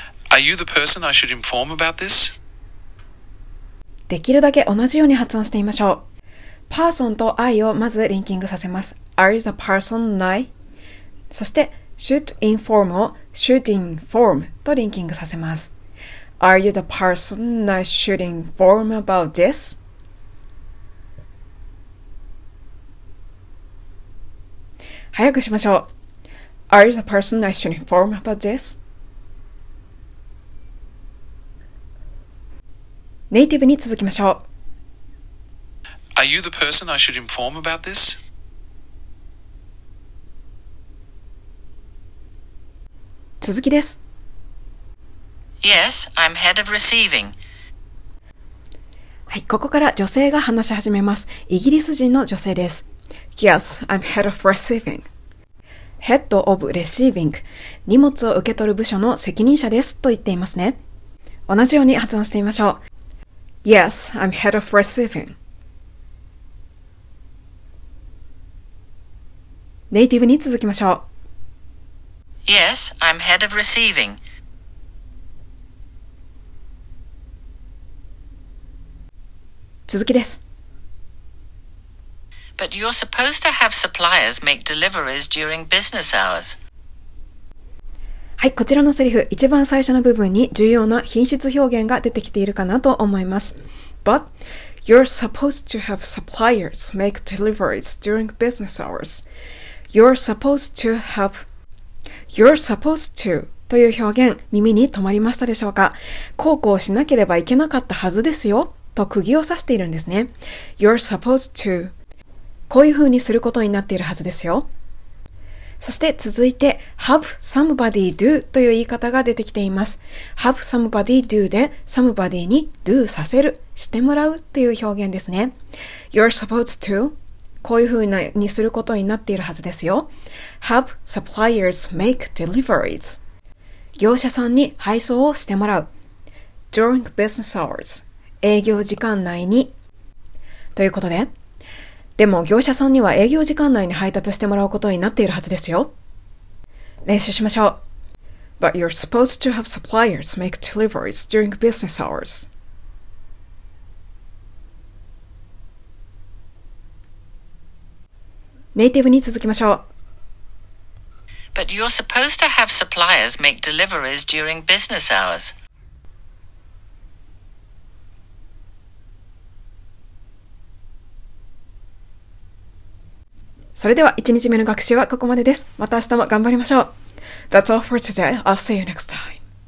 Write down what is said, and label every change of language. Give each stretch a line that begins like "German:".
English: Are you the person I should inform about this?
Japanese: できるだけ同じように発音してみましょう。パーソンと I をまずリンキングさせます。
English: Are you the person I?
Japanese: そして
English: should inform
Japanese: を should inform とリンキングさせます。
English: Are you the person I should inform about this?
Japanese: 早くしましょう。
English: Are you the person I should inform about this?
Japanese: ネイティブに続きましょう。
English: Are you the person I should inform about this? Yes, I'm head of receiving.
Japanese: はい、ここから女性が話し始めます。イギリス人の女性です。
English: Yes, I'm head of receiving. Head of Receiving
Japanese: 荷物を受け取る部署の責任者ですと言っていますね。同じように発音してみましょう。
English: Yes, I'm head of receiving.
Japanese: ネイティブに続きましょう。
English: Yes, I'm head of receiving. But you're supposed to have suppliers make deliveries during business hours.
Japanese: はい、こちらのセリフ、一番最初の部分に重要な品質表現が出てきているかなと思います。
English: But you're supposed to have suppliers make deliveries during business hours. You're supposed to have... You're supposed to...
Japanese: という表現、耳に止まりましたでしょうか。こうこうしなければいけなかったはずですよ、と釘を刺しているんですね。
English: You're supposed to.
Japanese: こういう風にすることになっているはずですよ。そして続いて、
English: have somebody do
Japanese: という言い方が出てきています。
English: have somebody do
Japanese: で、somebody に do させる、してもらうという表現ですね。
English: You're supposed to.
Japanese: こういう風にすることになっているはずですよ。
English: have suppliers make deliveries.
Japanese: 業者さんに配送をしてもらう。
English: During business hours.
Japanese: 営業時間内に。ということで。でも業者さんには営業時間内に配達してもらうことになっているはずですよ。練習しましょう。
English: But you're supposed to have suppliers make deliveries during business hours.
Japanese: ネイティブに続きましょう。
English: But you're supposed to have suppliers make deliveries during business hours.
Japanese: それでは1日目の学習はここまでです。また明日も頑張りましょう。
English: That's all for today. I'll see you next time.